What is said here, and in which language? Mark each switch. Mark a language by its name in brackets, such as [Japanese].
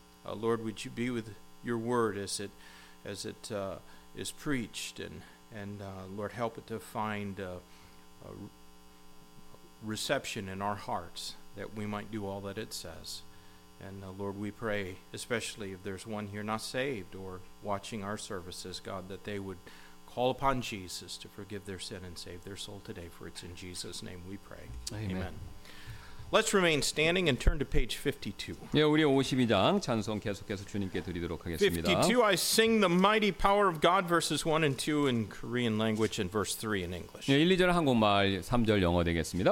[English] Lord, would you be with your word as it is preached, and Lord, help it to find a reception in our hearts, that we might do all that it says. And Lord, we pray, especially if there's one here not saved or watching our services, God, that they would call upon Jesus to forgive their sin and save their soul today, for it's in Jesus' name we pray. Amen. Amen. Let's remain standing and turn to page 52. [Korean] 예, 우리 52장 찬송 계속해서 주님께 드리도록 하겠습니다. [English] 52, I sing the mighty power of God verses 1 and 2 in Korean language and verse 3 in English. [Korean] 예, 1, 2절 한국말, 3절 영어 되겠습니다.